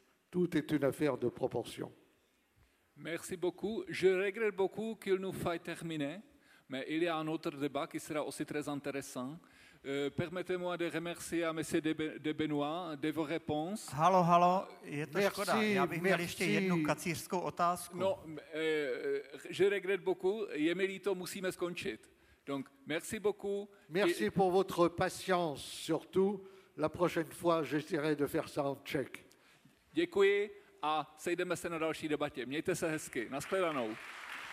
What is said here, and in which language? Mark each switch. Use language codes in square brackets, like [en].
[fr] Tout est une affaire de proportion. Merci beaucoup. Je regrette beaucoup qu'il nous faille terminer, mais il y a un autre débat qui sera aussi très intéressant. Permettez-moi de remercier à M. Debenois de vos réponses. [cs] Halo, halo, [fr] je to merci, [cs] škoda. Já bych merci. Měl ještě jednu kacířskou otázku. [fr] No, je regrette beaucoup. [cs] Je mi líto, musíme skončit. [fr] Donc, merci beaucoup. Merci pour votre patience, surtout. La prochaine fois, j'essaierai de faire ça en tchèque. [cs] Děkuji a sejdeme se na další debatě. Mějte se hezky. Naschledanou.